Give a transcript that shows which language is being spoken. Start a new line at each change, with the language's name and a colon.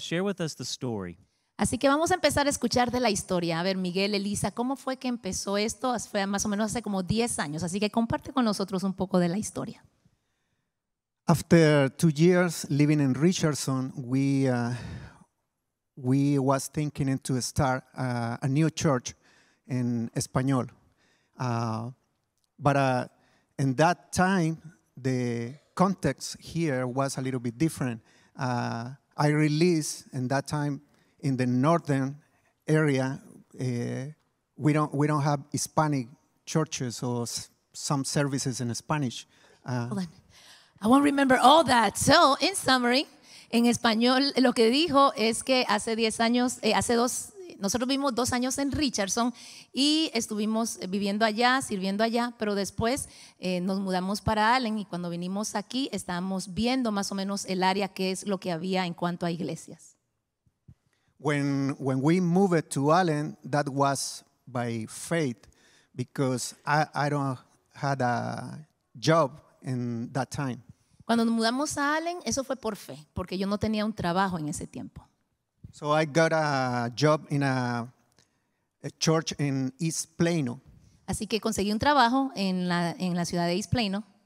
English: Share with us the story.
Spanish: Así que vamos a empezar a escuchar de la historia. A ver, Miguel, Elisa, ¿cómo fue que empezó esto? Fue más o menos hace como 10 años. Así que comparte con nosotros un poco de la historia.
English: After 2 years living in Richardson, we was thinking to start a new church in español. But in that time, the context here was a little bit different. I released in that time in the northern area, we don't have Hispanic churches or some services in Spanish. Hold on. I won't remember all that. So, in summary,
Spanish: en español, lo que dijo es que nosotros vivimos 2 años en Richardson y estuvimos viviendo allá, sirviendo allá, pero después nos mudamos para Allen y cuando vinimos aquí estábamos viendo más o menos el área que es lo que había en cuanto a iglesias.
English: When we moved to Allen, that was by faith, because I don't had a job in that time.
Spanish: Cuando nos mudamos a Allen, eso fue por fe, porque yo no tenía un trabajo en ese tiempo.
English: So I got a job in a church in East Plano.
Spanish: Así que conseguí un trabajo en la ciudad de East Plano.